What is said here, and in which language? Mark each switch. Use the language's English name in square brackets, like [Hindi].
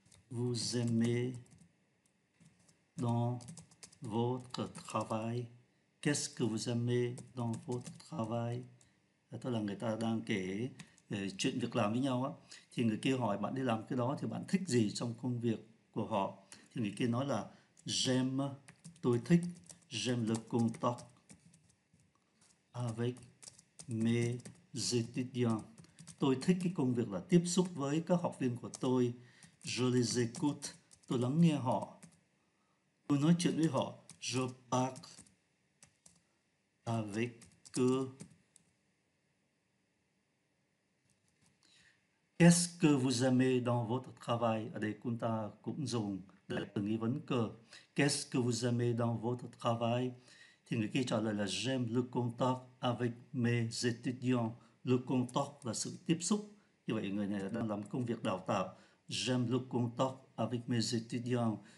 [French] Qu'est-ce que vous aimez dans votre travail? Qu'est-ce que vous aimez dans votre travail? [Vietnamese] Tức là người ta đang kể chuyện việc làm với nhau á. Thì người kia hỏi bạn đi làm cái đó thì bạn thích gì trong công việc của họ? Thì người kia nói là j'aime, tôi thích, [French] j'aime le contact avec mes étudiants. [Vietnamese] Tôi thích cái công việc là tiếp xúc với các học viên của tôi. [French] Je les écoute, [Vietnamese] tôi lắng nghe họ. Tôi nói chuyện với họ. [French] Je parle avec eux. Qu'est-ce que vous aimez dans votre travail? [Vietnamese] Ở đây chúng ta cũng dùng để từ nghi vấn cơ. [French] Qu'est-ce que vous aimez dans votre travail? [Vietnamese] Thì người kia trả lời là [French] j'aime le contact avec mes étudiants. [Vietnamese] Le contact là sự tiếp xúc. Như vậy người này đang làm công việc đào tạo. [French] J'aime le contact avec mes étudiants.